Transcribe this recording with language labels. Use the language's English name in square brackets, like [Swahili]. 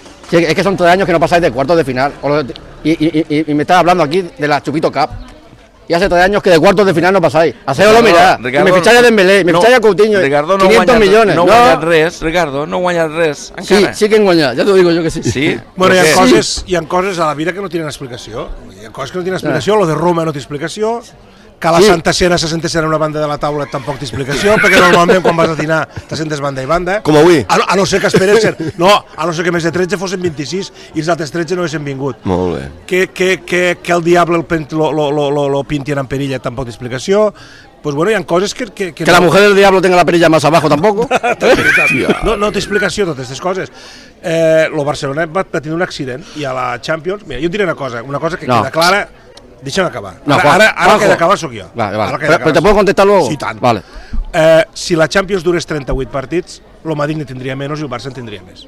[Spanish] Si es que son 3 años que no pasáis de cuartos de final. Y me estás hablando aquí de la Chupito Cup. Y hace 3 años que de cuartos de final no pasáis. Hacéoslo mirar. Ricardo, me ficháis a Dembélé, me ficháis a Coutinho. Ricardo, 500 millones. [Catalan] No guanyas res, Ricardo. No guanyas res. Encara. [Spanish] Sí, sí que guanyas. Ya te lo digo yo que sí. Sí. [Catalan] Bueno, hi ha coses a la vida que [Spanish] no tienen explicación. [Catalan] Hi ha coses que no tenen explicació, lo de Roma no té explicació, que la Santa Cena se sente ser en una banda de la taula tampoc té explicació, perquè normalment quan vas a dinar te sentes banda i banda. Com avui. A no ser que esperen ser... No, a no ser que més de 13 fossin 26 i els altres 13 no haguessin vingut. Molt bé. Que el diable lo pintin en perilla tampoc té explicació. Pues bueno, hi ha coses que [Spanish] no... La mujer del diablo tenga la perilla más abajo tampoc. [Catalan] No té explicació totes aquestes coses. Lo Barcelona va patint un accident i a la Champions, mira, jo et diré una cosa que no. Queda clara, deixa'm acabar. No, ara que he d'acabar sóc jo. [Spanish] Però te puedo contestar luego? [Catalan] Sí, tant. Vale. Si la Champions durés 38 partits, lo Madrid ni tindria menys i el Barça en tindria més.